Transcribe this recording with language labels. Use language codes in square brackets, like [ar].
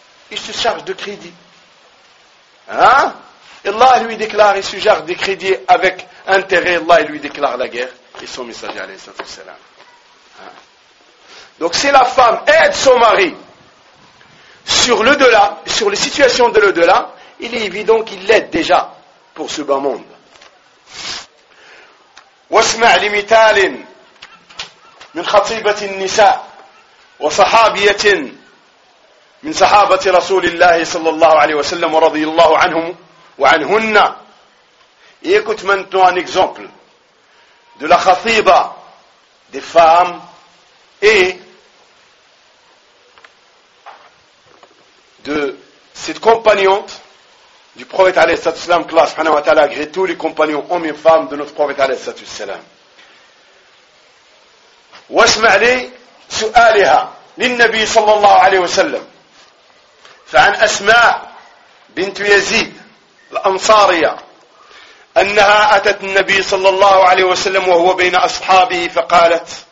[fr] Il se charge de crédit. Hein? Allah lui déclare, il se charge de crédit avec intérêt, Allah lui déclare la guerre, et son messager, alayhi wa sallam. Donc si la femme aide son mari sur l'au-delà, sur les situations de l'au-delà, il est évident qu'il l'aide déjà pour ce bas monde. [ar] واسمع لمثال من خطيبة النساء وصحابية من صحابة رسول الله صلى الله عليه وسلم ورضي الله عنهم وعنهن. [fr] Écoute maintenant un exemple de la khatiba des femmes et de cette compagnonne du prophète alayhi salatu wassalam, que Allah subhanahu wa ta'ala agrée tous les compagnons, hommes et femmes de notre prophète alayhi salatu wassalam. [ar] واسمع لي سؤالها للنبي صلى الله عليه وسلم فعن أسماء بنت يزيد الأنصارية أنها أتت النبي صلى الله عليه وسلم وهو بين أصحابه فقالت